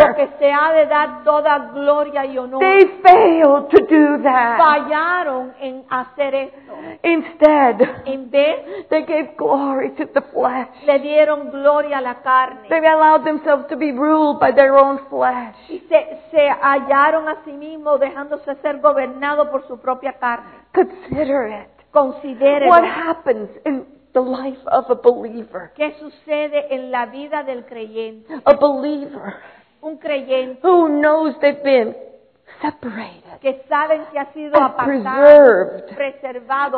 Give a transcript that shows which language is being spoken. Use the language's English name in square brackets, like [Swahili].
[Spanish] Al único que se ha de dar toda gloria y honor. [English] They failed to do that. [Spanish] Fallaron en hacer esto. [English] Instead, [Spanish] en vez, [English] they gave glory to the flesh. [Spanish] Le dieron gloria a la carne. [English] They allowed themselves to be ruled by their own flesh. [Spanish] Y se hallaron a sí mismos dejándose ser gobernado por su propia carne. [English] Consider it. [Spanish] Considérelo. [English] What happens in the life of a believer? [Spanish] ¿Qué sucede en la vida del creyente? [English] A believer. [Spanish] Un creyente. [English] Who knows they've been separated. [Spanish] Que saben que ha sido [English] and [Spanish] apartado, [English] preserved, [Spanish] preservado,